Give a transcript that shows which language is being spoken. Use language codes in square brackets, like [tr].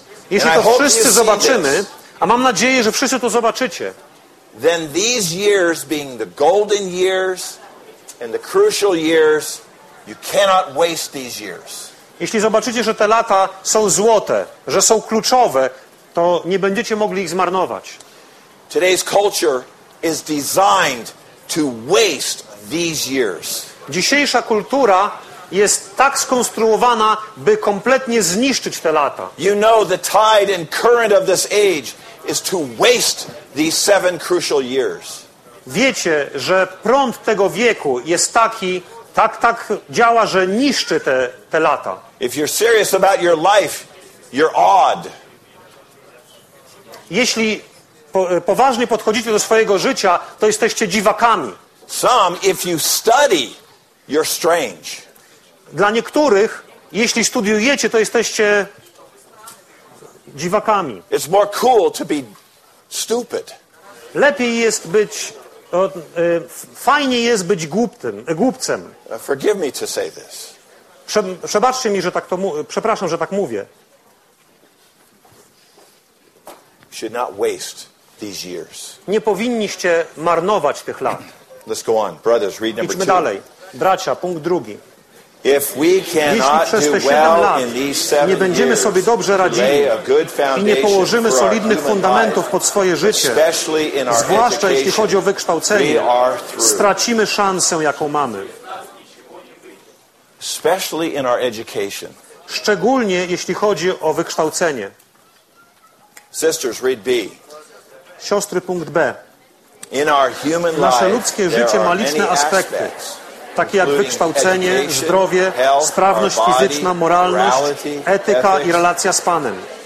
[pl] Jeśli to wszyscy zobaczymy, a mam nadzieję, że wszyscy to zobaczycie, [en] then these years being the golden years and the crucial years, you cannot waste these years. [pl] Jeśli zobaczycie, że te lata są złote, że są kluczowe, to nie będziecie mogli ich zmarnować. [en] Today's culture is designed to waste these years. [pl] Dzisiejsza kultura jest tak skonstruowana, by kompletnie zniszczyć te lata. [en] You know the tide and current of this age is to waste these seven crucial years. [pl] Wiecie, że prąd tego wieku jest taki, tak działa, że niszczy te lata. [en] If you're serious about your life, you're odd. [pl] Jeśli poważnie podchodzicie do swojego życia, to jesteście dziwakami. [en] Some, if you study, you're strange. [pl] Dla niektórych, jeśli studiujecie, to jesteście dziwakami. [en] It's more cool to be stupid. [pl] Lepiej jest być, fajnie jest być głupcem. [en] Forgive me to say this. [pl] Przebaczcie mi, że tak to przepraszam, że tak mówię. [en] You should not waste these years. [pl] Nie powinniście marnować tych lat. [en] Let's go on. Brothers, read number [pl] Idźmy dalej. Bracia, punkt drugi. [en] If we cannot [pl] Jeśli przez te [en] 7 well [pl] lat nie będziemy sobie dobrze radzili i nie położymy solidnych fundamentów pod swoje życie, zwłaszcza jeśli chodzi o wykształcenie, stracimy szansę, jaką mamy. [en] Especially in our education. [pl] Szczególnie jeśli chodzi o wykształcenie. [en] Sisters, read B. [pl] Siostry, punkt B. [en] In our human life, [pl] nasze ludzkie życie ma liczne aspekty, takie jak wykształcenie, zdrowie, sprawność fizyczna, moralność, etyka i relacja z Panem.